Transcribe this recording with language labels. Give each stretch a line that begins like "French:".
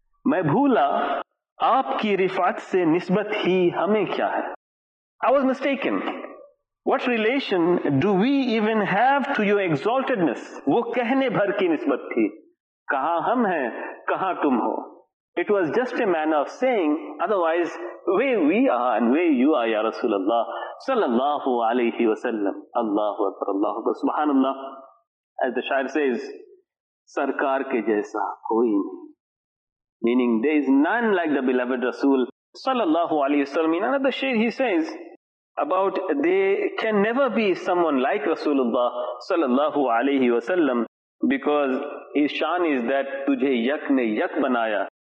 Urdu: میں بھولا آپ کی رفعت سے نسبت ہی ہمیں کیا ہے.
English: I was mistaken. What relation do we even have to your exaltedness?
Urdu: وہ کہنے بھر کی نسبت تھی, کہاں ہم ہیں کہاں تم ہو.
English: It was just a manner of saying, otherwise where we are and where you are, ya Rasulullah sallallahu alayhi wa sallam. Allahu akbar, Allahu akbar, subhanallah. As the shair says,
Urdu: سرکار کے جیسا کوئی نہیں.
English: Meaning there is none like the beloved Rasul sallallahu alayhi wa sallam. In another shayr he says about there can never be someone like Rasulullah sallallahu alayhi wa sallam. Because his shan is that
Urdu: tujhe yak ne yak banaya.